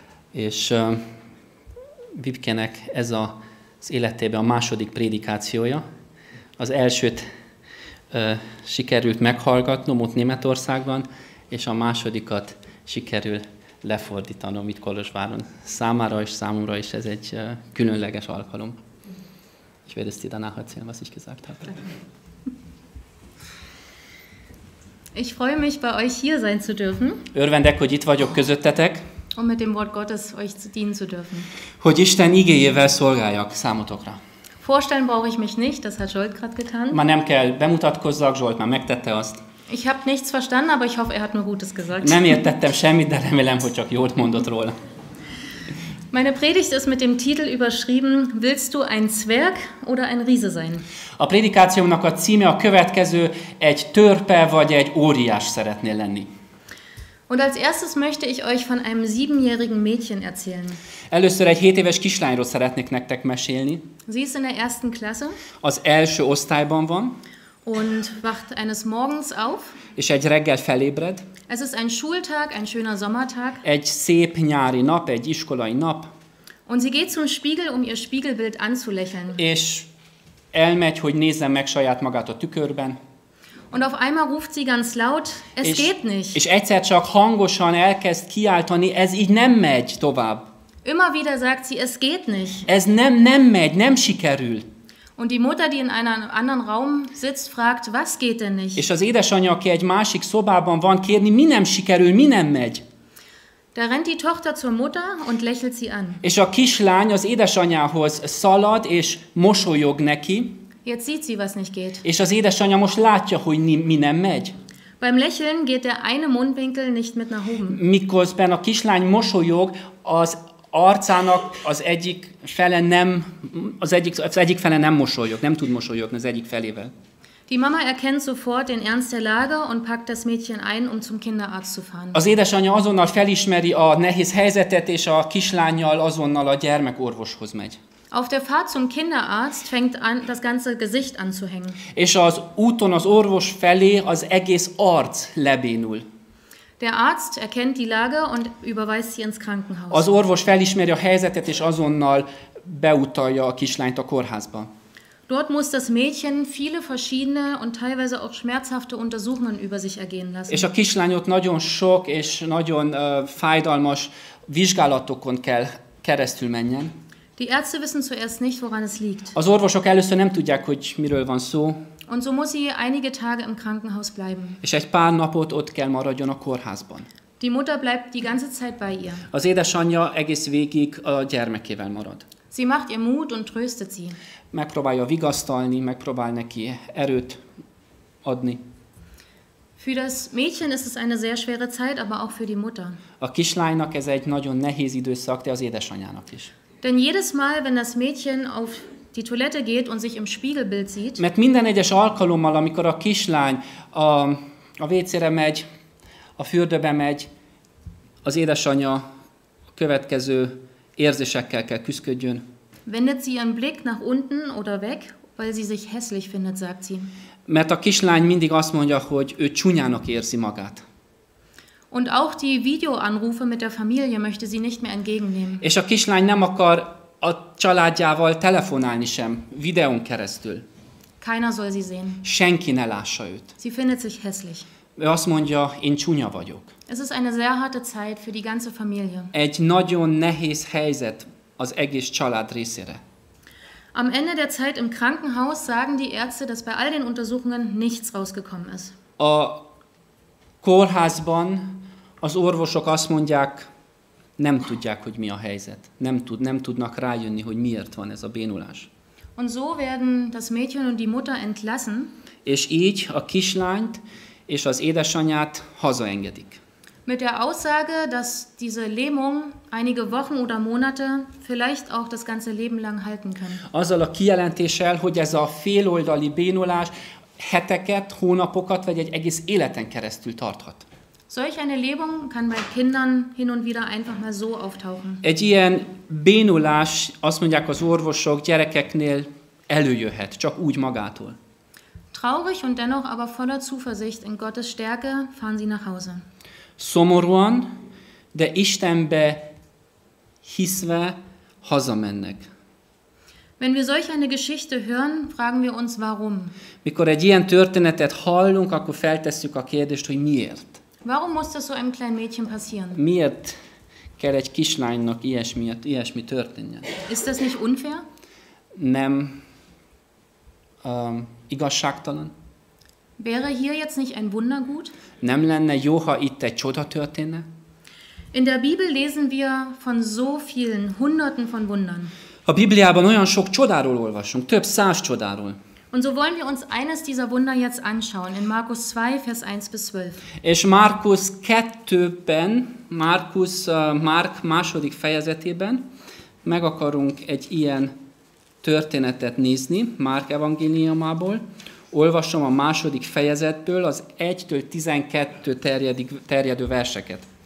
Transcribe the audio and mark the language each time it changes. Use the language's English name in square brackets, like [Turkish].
[Hungarian] És Vipkének ez az életében a második prédikációja. Az elsőt sikerült meghallgatnom ott Németországban, és a másodikat sikerül lefordítanom itt Kolozsváron. Számára és számomra is ez egy különleges alkalom. [German] Ich werde es dir danach erzählen, was ich gesagt habe. Ich freue mich, bei euch hier sein zu dürfen. [Hungarian] Örvendek, hogy itt vagyok közöttetek. [German] Um mit dem Wort Gottes euch zu dienen zu dürfen. [Hungarian] Hogy Isten igéjével szolgáljak számotokra. [German] Vorstellen brauche ich mich nicht, das hat Zsolt gerade getan. [Hungarian] Már nem kell bemutatkozzak, Zsolt már megtette azt. [German] Ich habe nichts verstanden, aber ich hoffe, er hat nur Gutes gesagt. [Hungarian] Nem értettem semmit, de remélem, hogy csak jót mondott róla. [German] Meine Predigt ist mit dem Titel überschrieben: Willst du ein Zwerg oder ein Riese sein? [Hungarian] A prédikációmnak a címe a következő: egy törpe vagy egy óriás szeretnél lenni. [German] Und als erstes möchte ich euch von einem 7-jährigen Mädchen erzählen. [Hungarian] Először egy 7 éves kislányról szeretnék nektek mesélni. [German] Sie ist in der ersten Klasse. [Hungarian] Az első osztályban van. [German] Und wacht eines Morgens auf. [Hungarian] És egy reggel felébred. [German] Es ist ein Schultag, ein schöner Sommertag. [Hungarian] Egy szép nyári nap, egy iskolai nap. [German] Und sie geht zum Spiegel, um ihr Spiegelbild anzulächeln. [Hungarian] És elmegy, hogy nézzen meg saját magát a tükörben. [German] Und auf einmal ruft sie ganz laut: Es geht nicht. [Hungarian] És egyszer csak hangosan elkezd kiáltani: Ez így nem megy tovább. [German] Immer wieder sagt sie: Es geht nicht. [Hungarian] Ez nem megy, nem sikerül. [German] Und die Mutter, die in einem anderen Raum sitzt, fragt: Was geht denn nicht? [Hungarian] És az édesanyja, aki egy másik szobában van, kérni: Mi nem sikerül, mi nem megy? [German] Da rennt die Tochter zur Mutter und lächelt sie an. [Hungarian] És a kislány az édesanyjához szalad és mosolyog neki. [German] Jetzt sieht sie, was nicht geht. [Hungarian] És az édesanyja most látja, hogy mi nem megy. [German] Beim Lächeln geht der eine Mundwinkel nicht mit nach oben. [Hungarian] Miközben a kislány mosolyog, az arcának az egyik fele nem, az egyik fele nem mosolyog, nem tud mosolyogni az egyik felével. [German] Die Mama erkennt sofort den Ernst der Lage und packt das Mädchen ein, um zum Kinderarzt zu fahren. [Hungarian] Az édesanyja azonnal felismeri a nehéz helyzetet, és a kislánnyal azonnal a gyermekorvoshoz megy. [German] Auf der Fahrt zum Kinderarzt fängt an, das ganze Gesicht anzuhängen. [Hungarian] És az úton az orvos felé az egész arc lebénul. [German] Der Arzt erkennt die Lage und überweist sie ins Krankenhaus. [Hungarian] Az orvos felismeri a helyzetet és azonnal beutalja a kislányt a kórházba. [German] Dort muss das Mädchen viele verschiedene und teilweise auch schmerzhafte Untersuchungen über sich ergehen lassen. [Hungarian] És a kislány ott nagyon sok és nagyon fájdalmas vizsgálatokon kell keresztül menjen. [German] Die Ärzte wissen zuerst nicht, woran es liegt. [Hungarian] Az orvosok először nem tudják, hogy miről van szó. [German] Und so muss sie einige Tage im Krankenhaus bleiben. [Hungarian] És egy pár napot ott kell maradjon a kórházban. [German] Die Mutter bleibt die ganze Zeit bei ihr. [Hungarian] Az édesanyja egész végig a gyermekével marad. [German] Sie macht ihr Mut und tröstet sie. [Hungarian] Megpróbálja vigasztalni, megpróbál neki erőt adni. [German] Für das Mädchen ist es eine sehr schwere Zeit, aber auch für die Mutter. [Hungarian] A kislánynak ez egy nagyon nehéz időszak, de az édesanyjának is. [German] Denn jedes Mal, wenn das Mädchen auf die Toilette geht und sich im Spiegelbild sieht. [Hungarian] Mert minden egyes alkalommal, amikor a kislány a WC-re megy, a fürdőbe megy, az édesanyja következő érzésekkel kell küszködjön. [German] Wendet sie ihren Blick nach unten oder weg, weil sie sich hässlich findet, sagt sie. [Hungarian] Mert a kislány mindig azt mondja, hogy ő csúnyának érzi magát. [German] Und auch die Videoanrufe mit der Familie möchte sie nicht mehr entgegennehmen. [Hungarian] És a kislány nem akar a családjával telefonálni sem, videón keresztül. [German] Keiner soll sie sehen. [Hungarian] Senki ne lássa őt. [German] Sie findet sich hässlich. [Hungarian] Ő azt mondja, én csúnya vagyok. [German] Es ist eine sehr harte Zeit für die ganze Familie. [Hungarian] Egy nagyon nehéz helyzet az egész család részére. [German] Am Ende der Zeit im Krankenhaus sagen die Ärzte, dass bei all den Untersuchungen nichts rausgekommen ist. [Hungarian] A kórházban az orvosok azt mondják, nem tudják, hogy mi a helyzet. Nem tudnak rájönni, hogy miért van ez a bénulás. [German] Und so werden das Mädchen und die Mutter entlassen. [Hungarian] És így a kislányt és az édesanyját hazaengedik. [German] Mit der Aussage, dass diese Lähmung einige Wochen oder Monate, vielleicht auch das ganze Leben lang halten kann. [Hungarian] Azzal a kijelentéssel, hogy ez a féloldali bénulás heteket, hónapokat vagy egy egész életen keresztül tarthat. [German] Solch eine Lähmung kann bei Kindern hin und wieder einfach mal so auftauchen. [Hungarian] Egy ilyen bénulás, azt mondják az orvosok, gyerekeknél előjöhet, csak úgy magától. [German] Traurig und dennoch aber voller Zuversicht in Gottes Stärke fahren sie nach Hause. [Hungarian] Szomorúan, de Istenbe hiszve hazamennek. [German] Wenn wir solch eine Geschichte hören, fragen wir uns warum. [Hungarian] Mikor egy ilyen történetet hallunk, akkor feltesszük a kérdést, hogy miért. [German] Warum muss das so einem kleinen Mädchen passieren? [Hungarian] Miért kell egy kislánynak ilyesmi történjen? [German] Ist das nicht unfair? [Hungarian] Nem. Igazságtalan. [German] Wäre hier jetzt nicht ein Wunder gut? [Hungarian] Nem lenne jó, ha itt egy csoda történne? [German] In der Bibel lesen wir von so vielen, hunderten von Wundern. [Hungarian] A Bibliában olyan sok csodáról olvasunk, több száz csodáról. [German] Und so wollen wir uns eines dieser Wunder jetzt anschauen, in Markus 2, Vers 1 bis 12. [Hungarian] És Markus 2-ben, Markus, Mark második fejezetében meg akarunk egy ilyen történetet nézni, Mark evangéliumából. Olvasom a második fejezetből az 1-től 12 terjedő verseket.